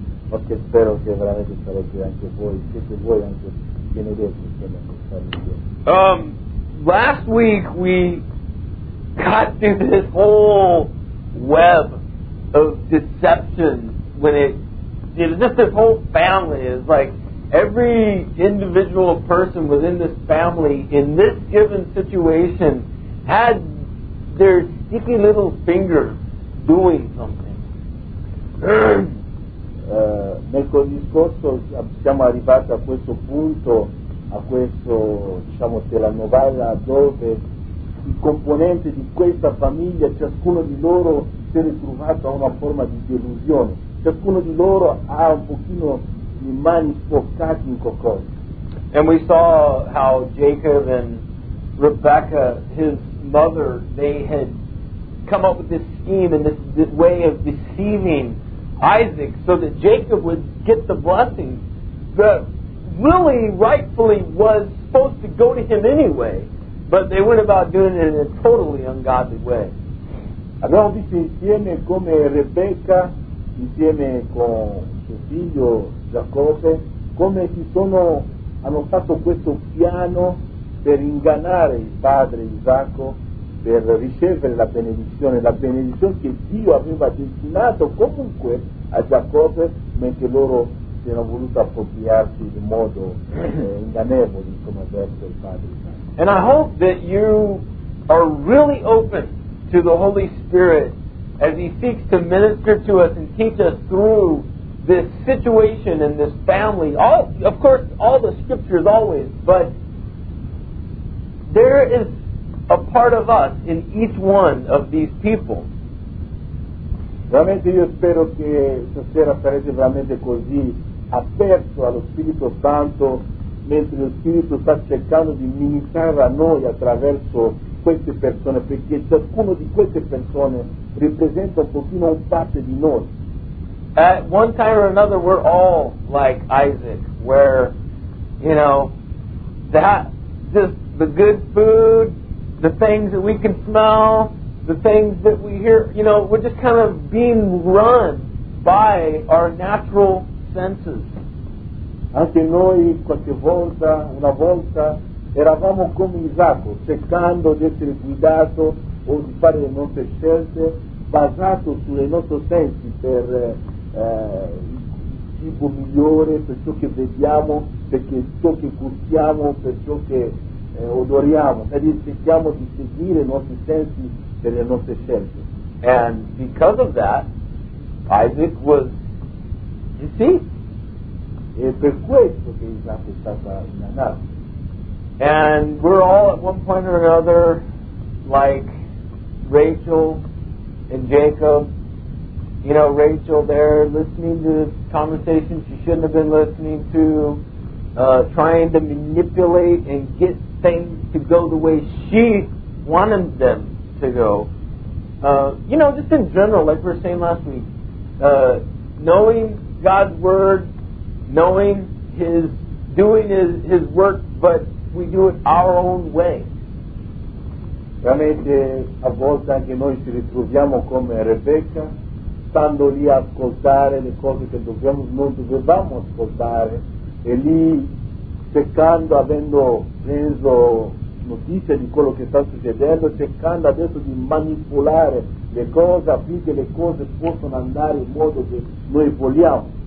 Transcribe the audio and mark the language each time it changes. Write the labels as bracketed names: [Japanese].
[English] Porque espero que realmente para que aunque voy, que te voy, aunque tiene Dios, que tiene Dios. Last week we got through this whole web of deception when it was just this whole family. It's like every individual person within this family in this given situation had their sticky little finger doing something. [Italian] Nel discorso siamo arrivati a questo punto, a questo, diciamo, della novella dove i componenti di questa famiglia, ciascuno di loro si è trovato a una forma di delusione, ciascuno di loro ha un pochino le mani sporcate in qualcosa. [English] And we saw how Jacob and Rebecca, his mother, they had come up with this scheme and this way of deceiving Isaac so that Jacob would get the blessing that really rightfully was supposed to go to him anyway, but they went about doing it in a totally ungodly way. [Italian] Abbiamo visto insieme come Rebecca, insieme con suo figlio Giacobbe, come si sono, hanno fatto questo piano per ingannare il padre Isacco, per ricevere la benedizione che Dio aveva destinato comunque a Giacobbe, mentre loro si erano voluti appropriarsi in modo ingannevole, come ha detto il padre. [English] And I hope that you are really open to the Holy Spirit as He seeks to minister to us and teach us through this situation and this family. All, of course, all the scriptures always, but there is a part of us in each one of these people. [Italian] Veramente io spero che stasera sarete veramente così aperto allo Spirito Santo mentre lo Spirito sta cercando di ministrare a noi attraverso queste persone, perché ciascuno di queste persone rappresenta un pochino un parte di noi. [English] At one time or another we're all like Isaac, where, you know, that just the good food, the things that we can smell, the things that we hear, you know, we're just kind of being run by our natural senses. [Italian] Anche noi qualche volta, una volta, eravamo come Isacco, cercando di essere guidato o di fare le nostre scelte basato sulle nostre sensi per il cibo migliore, per ciò che vediamo, per ciò che gustiamo, per ciò che odoriamo, e cerchiamo di seguire i nostri sensi per le nostre scelte. [English] And because of that, Isaac was deceived. [Italian] E per questo che Isacco è stato ingannato. [English] And we're all at one point or another like Rachel and Jacob. You know, Rachel there listening to this conversation she shouldn't have been listening to, trying to manipulate and get things to go the way she wanted them to go. You know, just in general, like we were saying last week, knowing God's word, knowing His, doing His work, but we do it our own way. [Italian] Veramente a volte anche noi ci ritroviamo come Rebecca, stando lì a ascoltare le cose che dobbiamo, non dovevamo ascoltare, e lì cercando, avendo preso notizia di quello che sta succedendo, cercando adesso di manipolare le cose affinché le cose possano andare in modo che noi vogliamo,